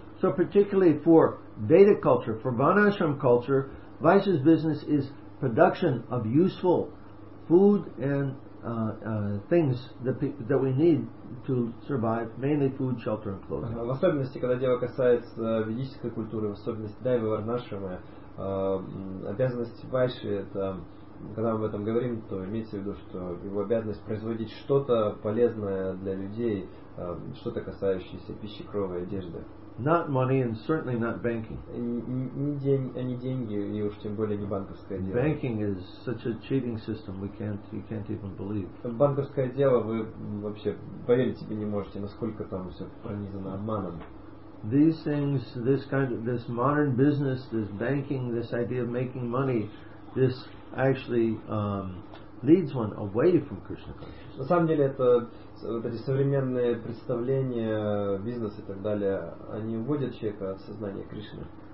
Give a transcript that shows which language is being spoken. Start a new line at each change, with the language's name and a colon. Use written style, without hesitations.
English: So particularly for Veda culture, for Vanashram culture, Vaishya's business is production of useful food and things that we need to survive, mainly food, shelter and clothing.
Russian: В особенности, когда дело касается ведической культуры, в особенности Дайва Варнашрама, обязанность Вайши, это, когда мы об этом говорим, то имеется в виду, что его обязанность производить что-то полезное для людей, что-то касающееся пищи, крова и одежды.
English: Not money and certainly not banking.
Russian: Не деньги и уж тем более не банковское дело.
English: Banking is such a cheating system. You can't even believe.
Russian: Банковское дело вы вообще поверить себе не можете, насколько там все пронизано обманом.
English: These things, this kind of, this modern business, this banking, this idea of making money, this actually leads one away from Krishna consciousness.
Russian: На самом деле это вот эти современные представления, бизнес и так далее, они уводят человека от сознания Кришны.